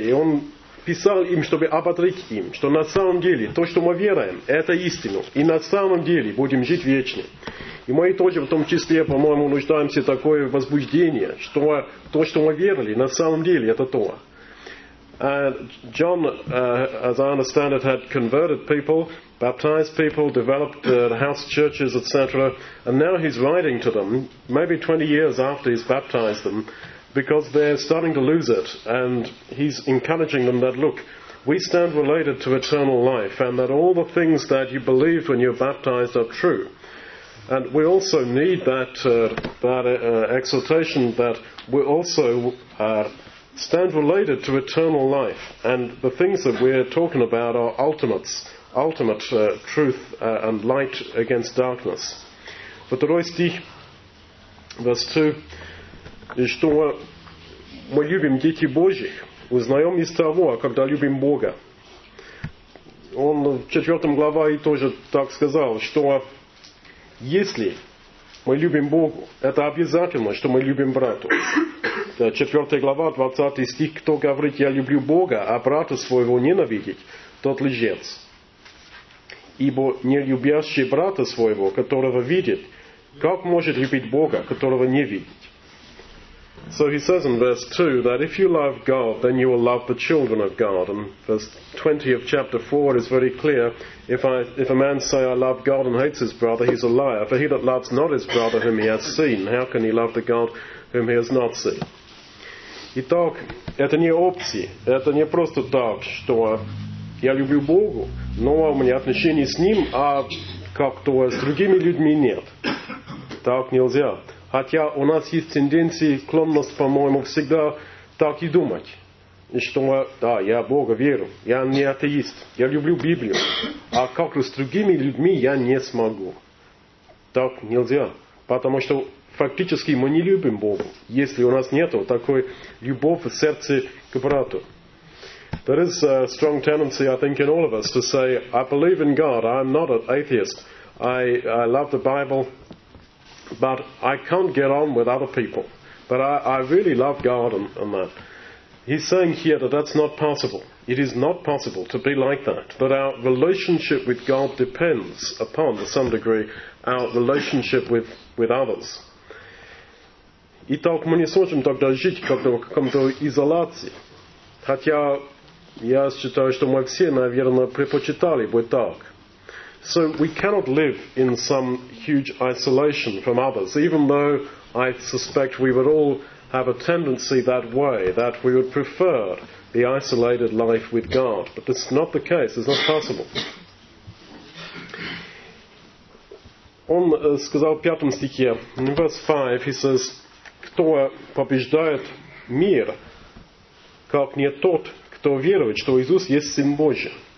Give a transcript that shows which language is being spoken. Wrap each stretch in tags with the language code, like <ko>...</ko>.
<ru>И он писал им, чтобы ободрить им, что на самом деле то, что мы веруем, это истина. И на самом деле будем жить вечно. И мы тоже в том числе, по-моему, нуждаемся в такое возбуждение, что то, что мы верили, на самом деле это то.</ru> <en>John, as I understand it, had converted people, baptized people, developed house churches, etc. And now he's writing to them, maybe 20 years after he's baptized them, because they're starting to lose it. And he's encouraging them that, look, we stand related to eternal life, and that all the things that you believed when you were baptized are true. And we also need that exhortation that we also stand related to eternal life. And the things that we're talking about are ultimate truth and light against darkness.</en> <ru>Второй стих,</ru> <en>verse 2,</en> <ru>и что мы любим детей Божьих, узнаем из того, когда любим Бога. Он в 4 главе и тоже так сказал, что если мы любим Бога, это обязательно, что мы любим брата. 4 глава, 20 стих. Кто говорит, я люблю Бога, а брата своего ненавидеть, тот лжец. Ибо не любящий брата своего, которого видит, как может любить Бога, которого не видит?</ru> <en>So he says in verse 2 that if you love God, then you will love the children of God. And verse 20 of chapter 4 is very clear. If a man say, I love God and hates his brother, he's a liar. For he that loves not his brother whom he has seen, how can he love the God whom he has not seen?</en> <ru>Итак, это не опция. Это не просто так, что я люблю Бога, но у меня отношения с Ним, а как-то с другими людьми нет. Так нельзя. Хотя у нас есть тенденция, склонность, по-моему, всегда так и думать. Что, да, я Бога верю, я не атеист, я люблю Библию. А как с другими людьми я не смогу. Так нельзя. Потому что фактически мы не любим Бога, если у нас нет такой любовь в сердце к брату.</ru> <en>There is a strong tendency, I think, in all of us to say, I believe in God, I'm not an atheist. I love the Bible. But I can't get on with other people. But I really love God and that. He's saying here that that's not possible. It is not possible to be like that. That our relationship with God depends upon, to some degree, our relationship with others.</en> <ru>Итак, мы не сможем тогда жить как-то в каком-то изоляции. Хотя я считаю, что мы все, наверное, предпочитали бы так.</ru> <en>So we cannot live in some huge isolation from others, even though I suspect we would all have a tendency that way, that we would prefer the isolated life with God. But it's not the case, it's not possible.</en> <ru>Он сказал в 5 стихе,</ru> <en>in verse 5, he says,</en> <ru>кто побеждает мир, как не тот, кто верует, что Иисус есть Сын Божий.</ru>